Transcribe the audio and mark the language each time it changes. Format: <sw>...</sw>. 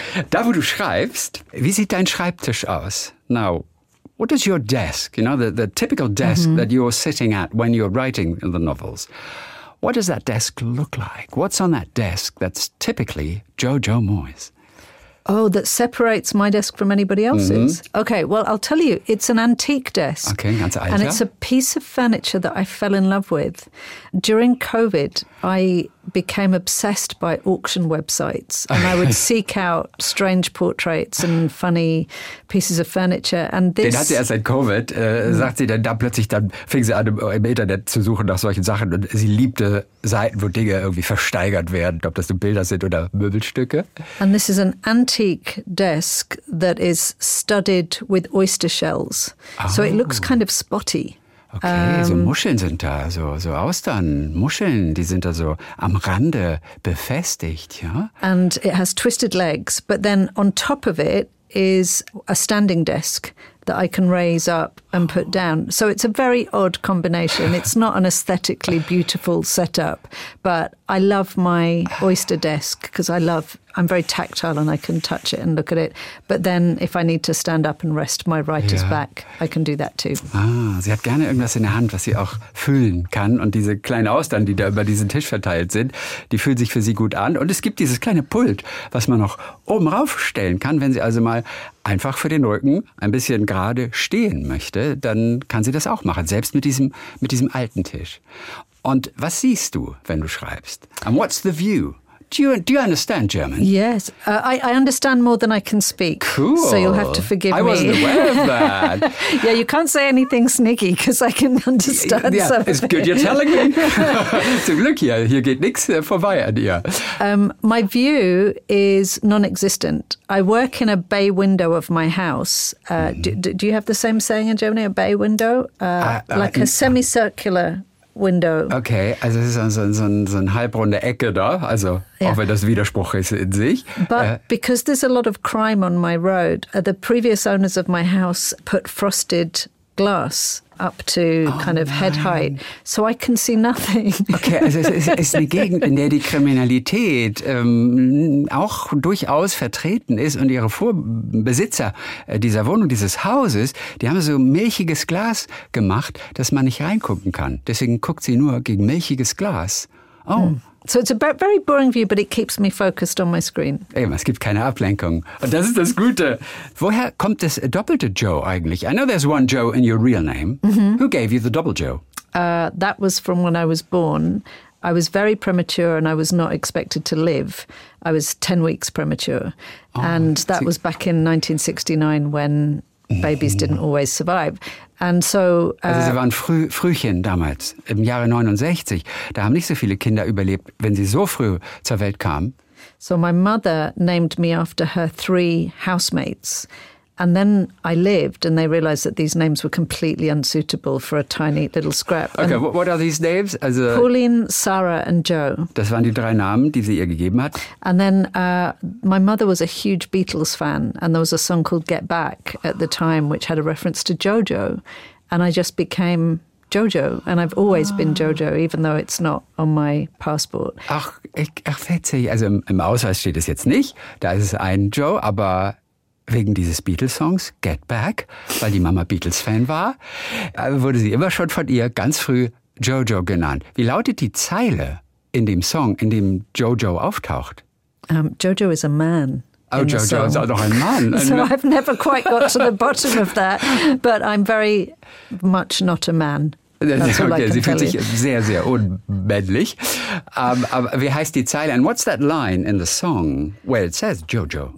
<de>Da, wo du schreibst, wie sieht dein Schreibtisch aus?</de> <en>Now, what is your desk? You know, the typical desk that you're sitting at when you're writing the novels. What does that desk look like? What's on that desk that's typically Jojo Moyes? Oh, that separates my desk from anybody else's. Mm-hmm. Okay, well, I'll tell you, it's an antique desk.</en> <de>Okay, ganz alter.</de> <en>And it's a piece of furniture that I fell in love with. During COVID, I became obsessed by auction websites and I would seek out strange portraits and funny pieces of furniture. And this.</en> <de>Den hat sie erst seit COVID, sagt sie, dann plötzlich, dann fing sie an, im Internet zu suchen nach solchen Sachen. Und sie liebte Seiten, wo Dinge irgendwie versteigert werden, ob das nun Bilder sind oder Möbelstücke.</de> <en>And this is an antique desk that is studded with oyster shells. Oh. So it looks kind of spotty.</en> <de>Okay, so Muscheln sind da, so Austern, Muscheln, die sind da so am Rande befestigt, ja.</de> <en>And it has twisted legs, but then on top of it is a standing desk that I can raise up and put down. So it's a very odd combination. It's not an aesthetically beautiful setup, but I love my oyster desk because I'm very tactile and I can touch it and look at it. But then if I need to stand up and rest my writer's back, I can do that too.</en> <de>Ah, sie hat gerne irgendwas in der Hand, was sie auch füllen kann. Und diese kleinen Austern, die da über diesen Tisch verteilt sind, die fühlen sich für sie gut an. Und es gibt dieses kleine Pult, was man noch oben raufstellen kann, wenn sie also mal einfach für den Rücken ein bisschen gerade stehen möchte, dann kann sie das auch machen, selbst mit diesem alten Tisch. Und was siehst du, wenn du schreibst?</de> <en>And what's the view? Do you understand German? Yes, I understand more than I can speak. Cool. So you'll have to forgive me. I wasn't aware of that. Yeah, you can't say anything sneaky because I can understand Yeah, it's good you're telling me.</en> <de>Zum Glück, hier geht nichts vorbei an dir.</de> <en>My view is non-existent. I work in a bay window of my house. Do you have the same saying in Germany, a bay window? A semicircular window.</en> <de>Okay, also es ist so eine halbrunde Ecke da, also auch wenn das Widerspruch ist in sich.</de> <en>But because there's a lot of crime on my road, the previous owners of my house put frosted glass up to head height, so I can see nothing.</en> <de>Okay, also es ist eine Gegend, in der die Kriminalität auch durchaus vertreten ist und ihre Vorbesitzer dieser Wohnung, dieses Hauses, die haben so milchiges Glas gemacht, dass man nicht reingucken kann. Deswegen guckt sie nur gegen milchiges Glas. Oh. Mm.</de> <en>So it's a very boring view, but it keeps me focused on my screen.</en> <de>Eben, es gibt keine Ablenkung. Und das ist das Gute. Woher kommt das doppelte Joe eigentlich?</de> <en>I know there's one Joe in your real name. Mm-hmm. Who gave you the double Joe? That was from when I was born. I was very premature and I was not expected to live. I was 10 weeks premature. And that was back in 1969 when babies didn't always survive. And so,</en> <de>also sie waren Frühchen damals, im Jahre 69. Da haben nicht so viele Kinder überlebt, wenn sie so früh zur Welt kamen.</de> <en>So my mother named me after her three housemates. And then I lived and they realized that these names were completely unsuitable for a tiny little scrap. Okay, and what are these names?</en> <de>Also, Pauline, Sarah and Joe. Das waren die drei Namen, die sie ihr gegeben hat.</de> <en>And then my mother was a huge Beatles fan and there was a song called Get Back at the time which had a reference to Jojo. And I just became Jojo and I've always been Jojo even though it's not on my passport.</en> <de>Ach, witzig. Also im Ausweis steht es jetzt nicht. Da ist es ein Joe, aber wegen dieses Beatles-Songs, Get Back, weil die Mama Beatles-Fan war, wurde sie immer schon von ihr ganz früh Jojo genannt. Wie lautet die Zeile in dem Song, in dem Jojo auftaucht?</de> <en>Jojo is a man.</en> <de>Oh, Jojo ist auch noch ein Mann.</de> <en>So I've never quite got to the bottom of that, but I'm very much not a man. That's okay, all</en> <de>sie fühlt sich sehr, sehr unmännlich. Aber wie heißt die Zeile?</de> <en>And what's that line in the song where it says Jojo?</en>